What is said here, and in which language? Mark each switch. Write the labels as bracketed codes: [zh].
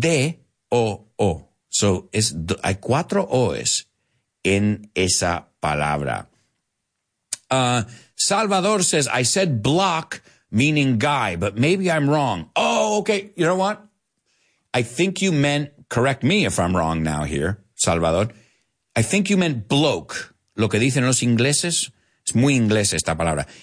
[es] V-O-O-D-O-O. So es, hay cuatro O's en esa palabra. [en] Salvador says, I said block, meaning guy, but maybe I'm wrong. Oh, okay. You know what? I think you meant, correct me if I'm wrong now here, Salvador. I think you meant bloke. [es] Lo que dicen los ingleses, es muy inglés esta palabra.